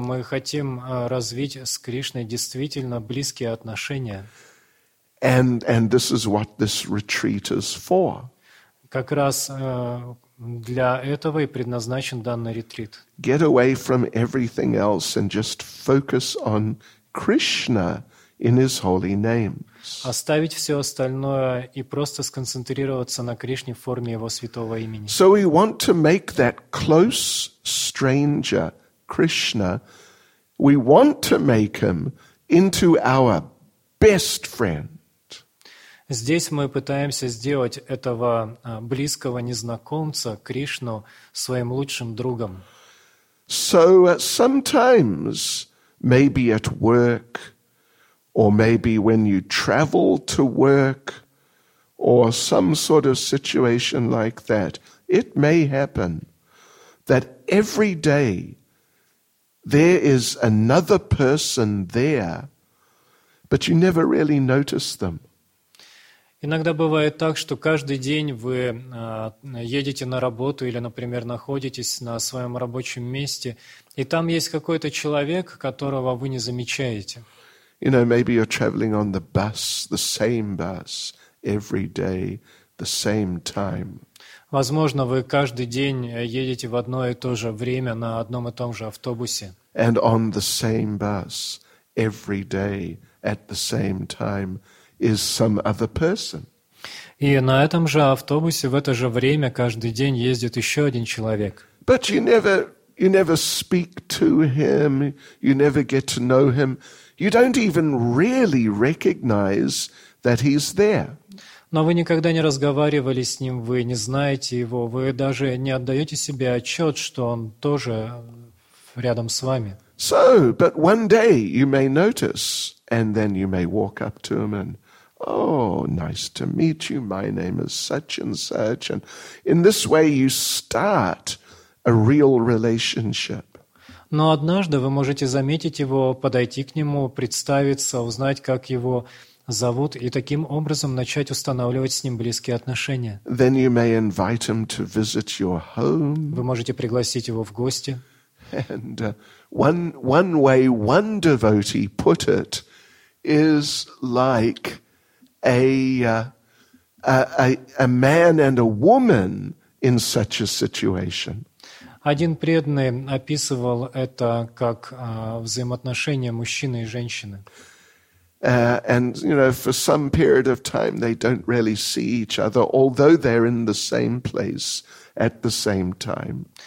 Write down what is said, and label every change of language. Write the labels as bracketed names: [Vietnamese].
[Russian] Мы хотим развить с Кришной действительно близкие отношения. [English] And this is what this retreat is for. [Russian] Как раз для этого и предназначен данный ретрит. [English] Get away from everything else and just focus on Krishna. In his holy name. [Russian] Оставить все остальное и просто сконцентрироваться на Кришне в форме его святого имени. [English] So we want to make that close stranger Krishna, we want to make him into our best friend. [Russian] Здесь мы пытаемся сделать этого близкого незнакомца Кришну своим лучшим другом. [English] So sometimes maybe at work, or maybe when you travel to work, or some sort of situation like that, it may happen that every day there is another person there, but you never really notice them. [Russian] Иногда бывает так, что каждый день вы едете на работу или, например, находитесь на своем рабочем месте, и там есть какой-то человек, которого вы не замечаете. [English] You know, maybe you're traveling on the bus, the same bus, every day, the same time. [Russian] Возможно, вы каждый день едете в одно и то же время на одном и том же автобусе. [English] And on the same bus, every day, at the same time, is some other person. [Russian] И на этом же автобусе в это же время каждый день ездит еще один человек. [English] But you never speak to him, you never get to know him. You don't even really recognize that he's there. [Russian] Но вы никогда не разговаривали с ним, вы не знаете его, вы даже не отдаете себе отчет, что он тоже рядом с вами. [English] So, but one day you may notice, and then you may walk up to him and, oh, nice to meet you, my name is such and such. And in this way you start a real relationship. [Russian] Но однажды вы можете заметить его, подойти к нему, представиться, узнать, как его зовут, и таким образом начать устанавливать с ним близкие отношения. [English] Then you may invite him to visit your home. [Russian] Вы можете пригласить его в гости. [English] And one way one devotee put it is like a man and a woman in such a situation. [Russian] Один преданный описывал это как взаимоотношения мужчины и женщины. [English] And you know, for some period of time, they don't really see each other, although they're in the same place at the same time.